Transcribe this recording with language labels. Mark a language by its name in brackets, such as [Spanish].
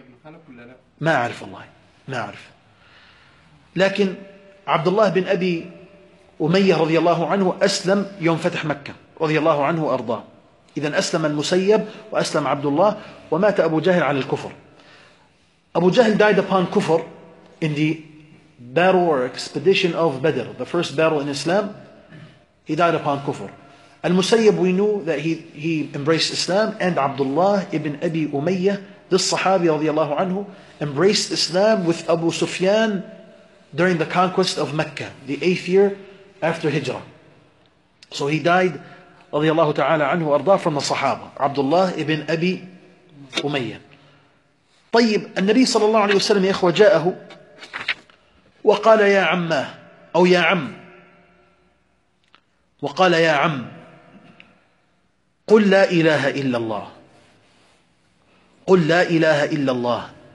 [Arabic] بن خلف ولا لا؟ ما أعرف والله, ما أعرف. لكن عبد الله بن أبي أمية رضي الله عنه أسلم يوم فتح مكة رضي الله عنه وأرضاه. إذن أسلم المسيب وأسلم عبد الله, ومات أبو جهل على الكفر. [English] أبو جهل died upon كفر in the battle or expedition of Badr, the first battle in Islam. He died upon كفر. المسيب, we knew that he embraced Islam, and عبد الله ابن أبي أمية, this صحابي [Arabic] رضي الله عنه, [English] embraced Islam with أبو سفيان during the conquest of مكة, the eighth year after Hijrah. So he died [Arabic] رضي الله تعالى عنه وأرضاه [English] from the صحابة, عبد الله ابن أبي أمية. [Arabic] طيب النبي صلى الله عليه وسلم يا إخوة جاءه وقال يا عمه, أو يا عم, وقال يا عم قل لا إله إلا الله, قل لا إله إلا الله.